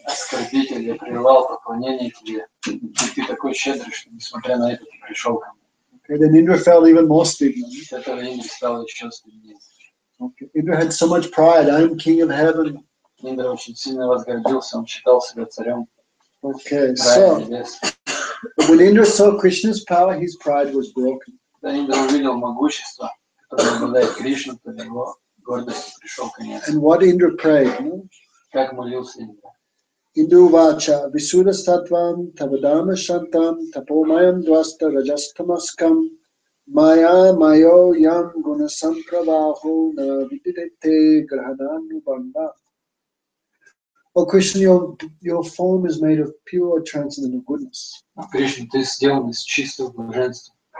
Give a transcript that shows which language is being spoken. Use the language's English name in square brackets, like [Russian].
[Russian] Оскорбитель, я прервал поклонение тебе. И ты такой щедрый, что несмотря на это ты пришел ко мне. [English] Okay, then Indra felt even more stubborn. [Russian] Этого Индра стало еще стыднее. [English] Okay, Indra had so much pride. I'm king of heaven. [Russian] Индра очень сильно возгордился. Он считал себя царем. [English] Okay, so. But when Indra saw Krishna's power, his pride was broken. Then [Russian] Indra увидел могущество, которое обладает Кришна, то его гордость пришел конец. [English] And what Indra prayed? [Russian] Как молился Индра? [Sanskrit] Indra vacha visuddha sattvam tavadama shantam tapomayam dvasta rajastamaskam maya mayo yam guna sampravaho na vidite grahananu bandha. [English] О, Кришна, your form is made of pure transcendental goodness. [Russian] Кришна, ты сделан из чистого блаженства.